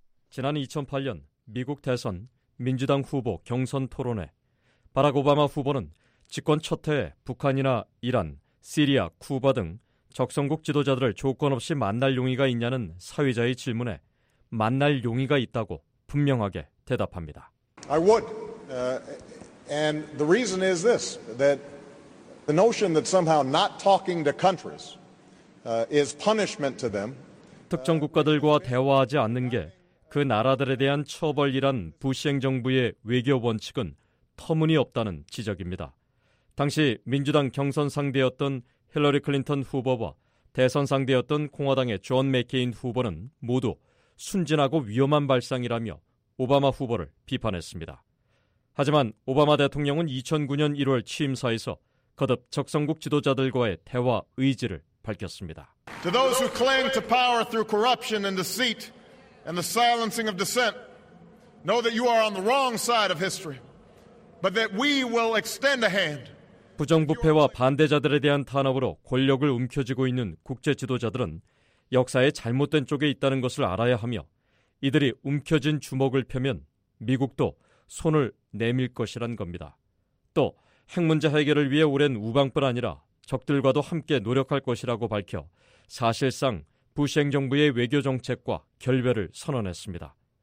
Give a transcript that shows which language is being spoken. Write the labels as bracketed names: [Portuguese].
[Korean] 지난 2008년 미국 대선 민주당 후보 경선 토론회 바락 오바마 후보는 집권 첫 해에 북한이나 이란, 시리아, 쿠바 등 적성국 지도자들을 조건 없이 만날 용의가 있냐는 사회자의 질문에 만날 용의가 있다고 분명하게 대답합니다. [English] I would. And the reason is this, that the notion that somehow not talking to countries is punishment to them. [Korean] 특정 국가들과 대화하지 않는 게 그 나라들에 대한 처벌이란 부시 행정부의 외교 원칙은 터무니없다는 지적입니다. 당시 민주당 경선 상대였던 힐러리 클린턴 후보와 대선 상대였던 공화당의 존 맥케인 후보는 모두 순진하고 위험한 발상이라며 오바마 후보를 비판했습니다. 하지만 오바마 대통령은 2009년 1월 취임사에서 거듭 적성국 지도자들과의 대화 의지를 밝혔습니다. [English] To those who cling to power through corruption and deceit and the silencing of dissent, know that you are on the wrong side of history, but that we will extend a hand. [Korean] 부정부패와 반대자들에 대한 탄압으로 권력을 움켜쥐고 있는 국제 지도자들은 역사의 잘못된 쪽에 있다는 것을 알아야 하며 이들이 움켜진 주먹을 펴면 미국도 손을 내밀 것이란 겁니다. 또 핵 문제 해결을 위해 우린 우방뿐 아니라 적들과도 함께 노력할 것이라고 밝혀 사실상 부시 행정부의 외교 정책과 결별을 선언했습니다.